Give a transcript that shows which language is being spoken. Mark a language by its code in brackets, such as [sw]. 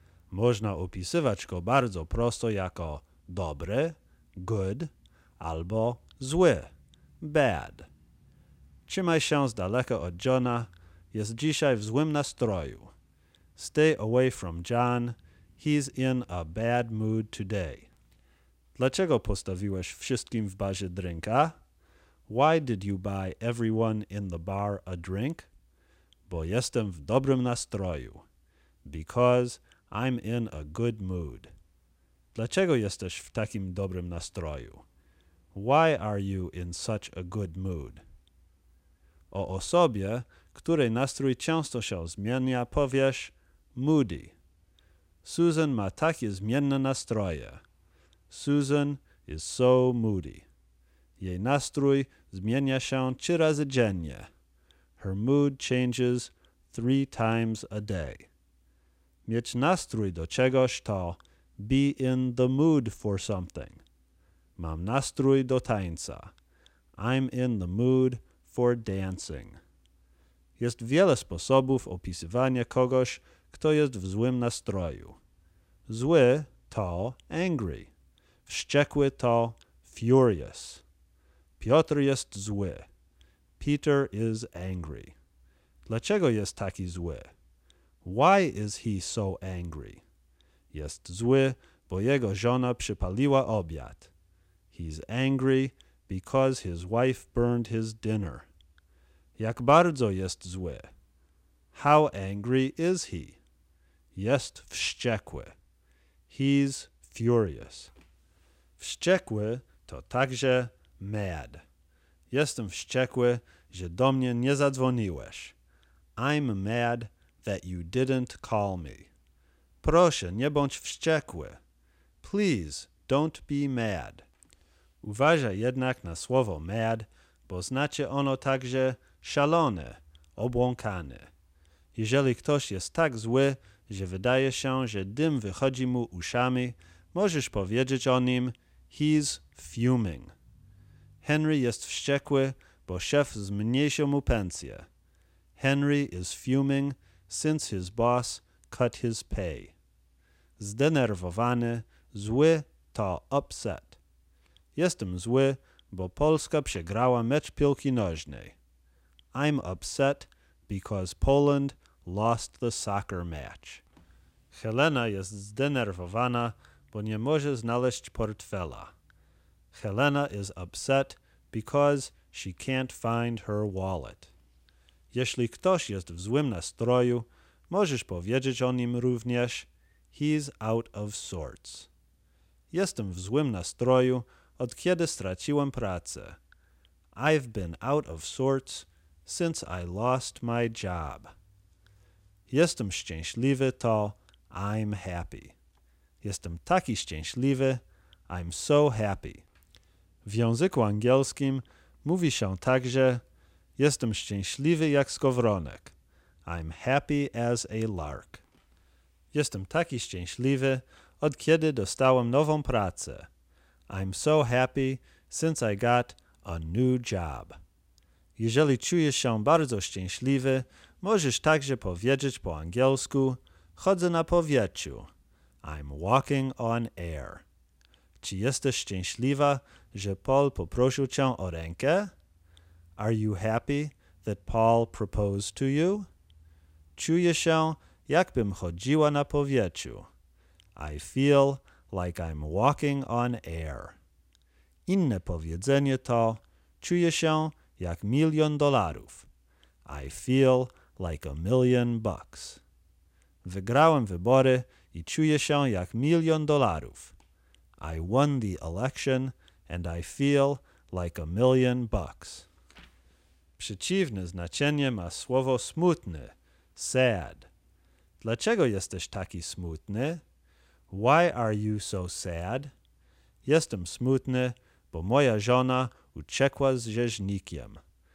[pl] Można opisywać go bardzo prosto jako dobre, good, albo zły, bad. Trzymaj się z daleka od Johna, jest dzisiaj w złym nastroju. [en] Stay away from John, he's in a bad mood today. [pl] Dlaczego postawiłeś wszystkim w barze drinka? [en] Why did you buy everyone in the bar a drink? [pl] Bo jestem w dobrym nastroju. [en] Because I'm in a good mood. [pl] Dlaczego jesteś w takim dobrym nastroju? [en] Why are you in such a good mood? [pl] O osobie, której nastrój często się zmienia, powiesz moody. Susan ma takie zmienne nastroje. [en] Susan is so moody. [pl] Jej nastrój zmienia się 3 razy dziennie. [en] Her mood changes 3 times a day. [pl] Mieć nastrój do czegoś [en] to be in the mood for something. [pl] Mam nastrój do tańca. [en] I'm in the mood for dancing. [pl] Jest wiele sposobów opisywania kogoś, kto jest w złym nastroju. Zły to angry. Wściekły to furious. Piotr jest zły. [en] Peter is angry. [pl] Dlaczego jest taki zły? [en] Why is he so angry? [pl] Jest zły, bo jego żona przypaliła obiad. [en] He's angry because his wife burned his dinner. [pl] Jak bardzo jest zły? [en] How angry is he? [pl] Jest wściekły. [en] He's furious. [pl] Wściekły to także mad. Jestem wściekły, że do mnie nie zadzwoniłeś. [en] I'm mad that you didn't call me. [pl] Proszę, nie bądź wściekły. [en] Please, don't be mad. [pl] Uważaj jednak na słowo mad, bo znaczy ono także szalone, obłąkane. Jeżeli ktoś jest tak zły, że wydaje się, że dym wychodzi mu uszami, możesz powiedzieć o nim, [en] he's fuming. [pl] Henry jest wściekły, bo szef zmniejszył mu pensję. [en] Henry is fuming since his boss cut his pay. [pl] Zdenerwowany, zły to upset. Jestem zły, bo Polska przegrała mecz piłki nożnej. [en] I'm upset because Poland lost the soccer match. [pl] Helena jest zdenerwowana, bo nie może znaleźć portfela. [en] Helena is upset because she can't find her wallet. [pl] Jeśli ktoś jest w złym nastroju, możesz powiedzieć o nim również, [en] he's out of sorts. [pl] Jestem w złym nastroju, od kiedy straciłem pracę. [en] I've been out of sorts since I lost my job. [pl] Jestem szczęśliwy to [en] I'm happy. [pl] Jestem taki szczęśliwy, [en] I'm so happy. [pl] W języku angielskim mówi się także, jestem szczęśliwy jak skowronek. [en] I'm happy as a lark. [pl] Jestem taki szczęśliwy, od kiedy dostałem nową pracę. [en] I'm so happy since I got a new job. [pl] Jeżeli czujesz się bardzo szczęśliwy, możesz także powiedzieć po angielsku, chodzę na powietrzu. [en] I'm walking on air. [pl] Czy jesteś szczęśliwa, że Paul poprosił cię o rękę? [en] Are you happy that Paul proposed to you? [pl] Czuję się, jakbym chodziła na powietrzu. [en] I feel like I'm walking on air. [pl] Inne powiedzenie to, czuję się jak milion dolarów. [en] I feel like a million bucks. [pl] Wygrałem wybory i czuję się jak milion dolarów. [en] I won the election and I feel like a million bucks. [pl] Przeciwne znaczenie ma słowo smutny, sad. Dlaczego jesteś taki smutny? [en] Why are you so sad? [pl] Jestem smutny, bo moja żona uciekła z rzeźnikiem.